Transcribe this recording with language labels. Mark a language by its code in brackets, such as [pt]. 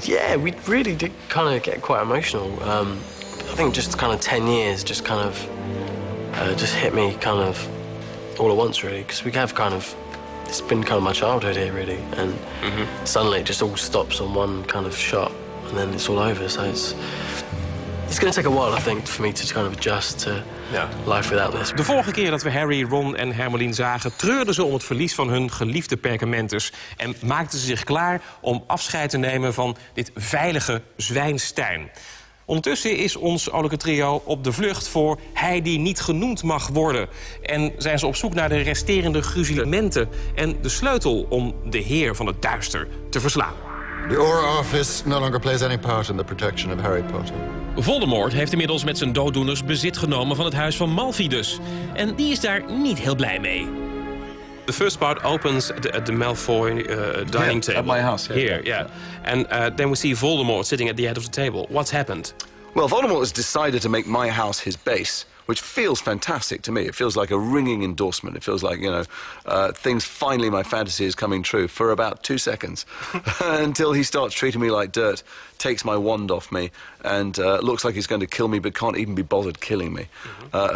[en] Yeah, we really did kind of get quite emotional. I think just kind of 10 years just kind of just hit me kind of all at once, really, because we have kind of, it's been kind of my childhood here, really, and suddenly it just all stops on one kind of shot and then it's all over, so it's going to take a while, I think, for me to kind of adjust to life without this. [nl] De vorige keer dat we Harry, Ron en Hermeline zagen, treurden ze om het verlies van hun geliefde perkamentus en maakten ze zich klaar om afscheid te nemen van dit veilige zwijnstein. Ondertussen is ons olijke trio op de vlucht voor hij die niet genoemd mag worden. En zijn ze op zoek naar de resterende gruzilementen en de sleutel om de heer van het duister te verslaan. [en] The Aura Office no longer plays any part in the protection of Harry Potter. [nl] Voldemort heeft inmiddels met zijn dooddoeners bezit genomen van het huis van Malfoy dus. En die is daar niet heel blij mee. [en] The first part opens at the Malfoy dining table. At my house. And then we see Voldemort sitting at the head of the table. What's happened? Well, Voldemort has decided to make my house his base, which feels fantastic to me. It feels like a ringing endorsement. It feels like, things finally, my fantasy is coming true for about 2 seconds until he starts treating me like dirt, takes my wand off me, and looks like he's going to kill me but can't even be bothered killing me. Mm-hmm.